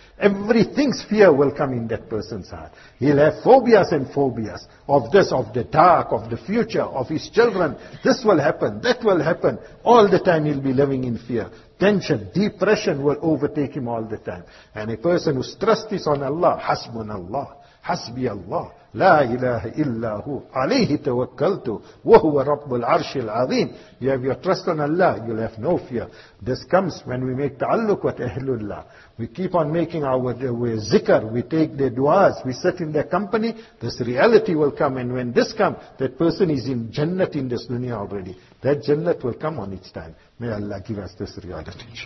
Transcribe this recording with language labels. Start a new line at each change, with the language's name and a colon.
English: Everything's fear will come in that person's heart. He'll have phobias and phobias of this, of the dark, of the future, of his children. This will happen, that will happen. All the time he'll be living in fear. Tension, depression will overtake him all the time. And a person who stresses on Allah,
Arabic: حَسْبُنَ اللَّهُ. حسبي الله لا إله إلا هو عليه توكلت وهو رب العرش العظيم.
English: You have your trust on Allah, you'll have no fear. This comes when we make ta'alluq with Ahlullah. We keep on making our zikr, we take their du'as, we sit in their company, this reality will come. And when this comes, that person is in jannat in this dunya already. That jannat will come on its time. May Allah give us this reality.